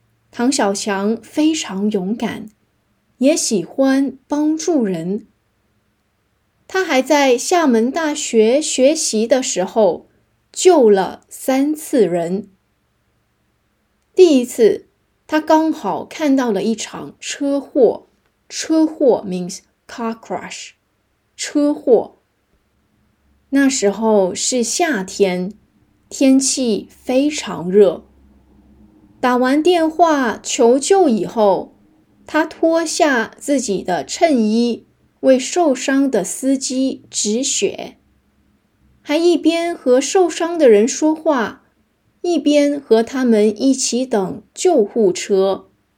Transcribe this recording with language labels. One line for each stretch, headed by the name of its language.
Chinese: 唐小强非常勇敢，也喜欢帮助人。他还在厦门大学学习的时候，救了3次人。第一次，他刚好看到了一场车祸。
English: 车祸 means car crash， 车祸。
Chinese: 那时候是夏天，天气非常热。打完电话求救以后，他脱下自己的衬衣为受伤的司机止血，还一边和受伤的人说话，一边和他们一起等救护车。